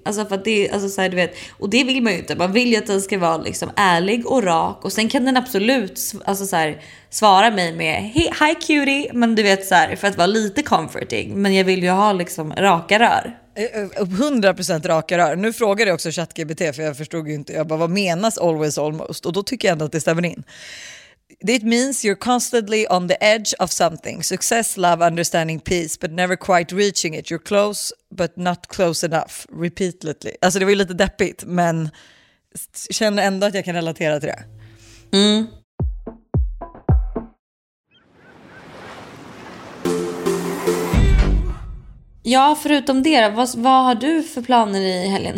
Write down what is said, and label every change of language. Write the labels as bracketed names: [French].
[Swedish] Alltså för att det, alltså så här, du vet, och det vill man ju inte. Man vill ju att den ska vara liksom ärlig och rak, och sen kan den absolut alltså så här, svara mig med [English] hey, hi cutie, [Swedish] men du vet så här, för att vara lite comforting, men jag vill ju ha liksom raka rör. 100% raka rör. Nu frågade jag också ChatGPT, för jag förstod ju inte. Jag bara, vad menas [English] always almost? [Swedish] Och då tycker jag ändå att det stämmer in. [English] It means you're constantly on the edge of something. Success, love, understanding, peace, but never quite reaching it. You're close, but not close enough. Repeatedly. [Swedish] Alltså det var ju lite deppigt, men känner ändå att jag kan relatera till det. Mm. Ja, förutom det, vad har du för planer i helgen?